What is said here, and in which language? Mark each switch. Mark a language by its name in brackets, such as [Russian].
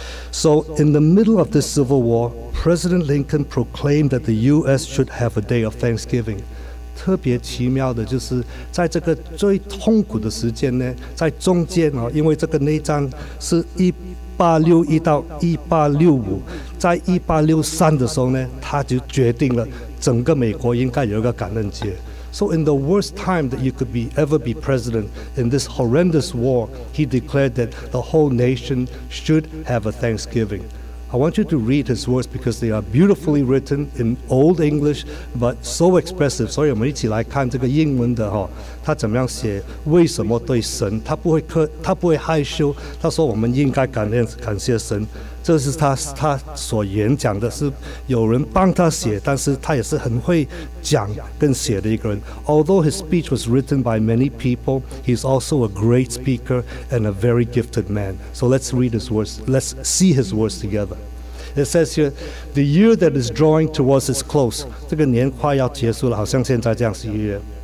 [English] So in the middle of this civil war, President Lincoln proclaimed that the U.S. should have a day of Thanksgiving. [Chinese] 特别奇妙的就是在这个最痛苦的时间呢，在中间啊，因为这个内战是1861到1865，在1863的时候呢，他就决定了整个美国应该有一个感恩节。 [English] So in the worst time that you could ever be president in this horrendous war, he declared that the whole nation should have a Thanksgiving. I want you to read his words because they are beautifully written in old English, but so expressive. [Chinese] 所以我们一起来看这个英文的哈，他怎么样写？为什么对神？他不会害羞。他说我们应该感谢神。这是他所演讲的，是有人帮他写，但是他也是很会讲跟写的一个人。 [English] Although his speech was written by many people, he's also a great speaker and a very gifted man. So let's read his words. Let's see his words together. It says here, the year that is drawing towards its close, [Chinese] 这个年快要结束了，好像现在这样是一月。